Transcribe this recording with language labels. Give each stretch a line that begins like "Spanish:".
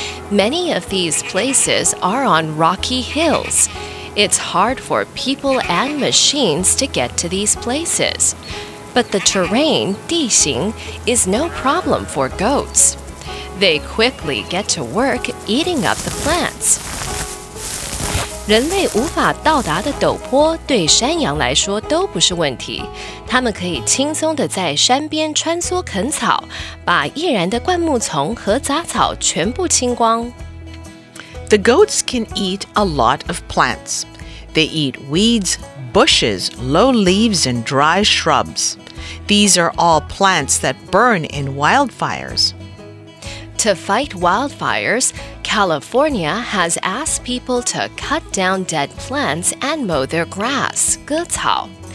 English: Many of these places are on rocky hills. It's hard for people and machines to get to these places. But the terrain, 地形, is no problem for goats. They quickly get to work eating up the plants.
Chinese: 人类无法到达的陡坡对山羊来说都不是问题，它们可以轻松地在山边穿梭啃草，把易燃的灌木丛和杂草全部清光。
English: The goats can eat a lot of plants. They eat weeds, bushes, low leaves, and dry shrubs. These are all plants that burn in wildfires. To fight wildfires, California has asked people to cut down dead plants and mow their grass, 割草.